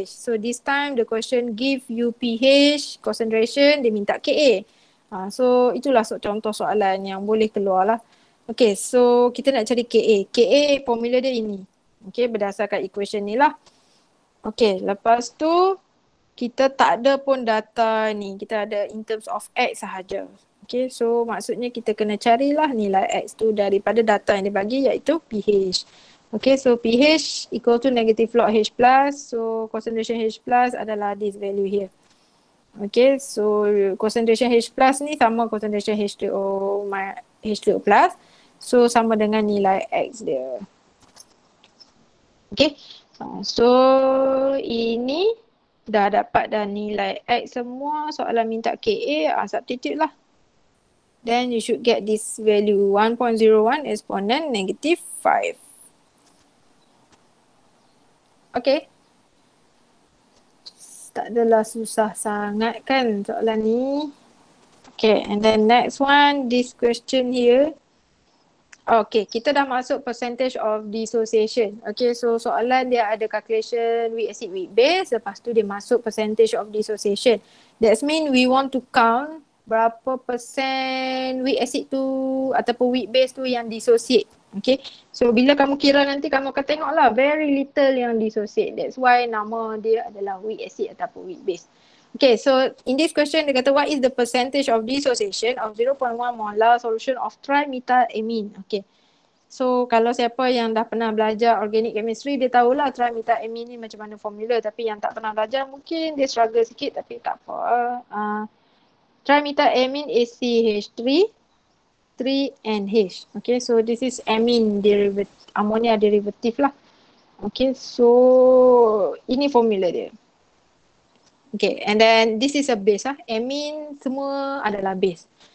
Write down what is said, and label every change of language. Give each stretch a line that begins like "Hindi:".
English: So this time the question give you PH, concentration,
Malay: dia minta KA. So itulah contoh soalan yang boleh keluar lah. Okay, so kita nak cari KA. KA formula dia ini. Okay, berdasarkan equation ni lah. Okay, lepas tu kita tak ada pun data ni. Kita ada in terms of X sahaja. Okay, so maksudnya kita kena carilah nilai X tu daripada data yang dibagi iaitu pH.
English: Okay, so pH equal to negative log H plus. So concentration H plus
Malay: adalah
English: this value here. Okay, so concentration H plus
Malay: ni sama
English: concentration H2O plus.
Malay: So sama dengan nilai X dia. Okay, so ini dah dapat dah nilai X semua. Soalan minta KA,
English: substitute lah. Then you should get this value 1.01 exponent negative 5. Okay.
Malay: Tak adalah susah sangat kan soalan ni.
English: Okay, and then next one, this question here. Okay,
Malay: kita dah masuk
English: percentage of dissociation. Okay, so
Malay: soalan dia ada
English: calculation weak acid, weak base.
Malay: Lepas tu dia masuk
English: percentage of dissociation. That's mean we want to count
Malay: berapa persen
English: weak acid
Malay: tu ataupun
English: weak base
Malay: tu yang
English: dissociate.
Malay: Okay, so bila kamu kira nanti kamu akan tengok lah
English: very little
Malay: yang dissociate.
English: That's why
Malay: nama dia adalah
English: weak acid
Malay: ataupun
English: weak base. Okay, so in this question
Malay: dia kata
English: what is the percentage of dissociation of 0.1 molar solution of trimethylamine.
Malay: Okay, so kalau siapa yang dah pernah belajar organic chemistry dia tahulah trimethylamine ni macam mana formula, tapi yang tak pernah belajar mungkin dia struggle sikit, tapi tak apa.
English: Trimethylamine is CH3, 3NH. Okay, so this is amine derivative, ammonia derivative lah. Okay, so
Malay: ini formula dia.
English: Okay, and then this is a base lah.
Malay: Amine semua adalah base.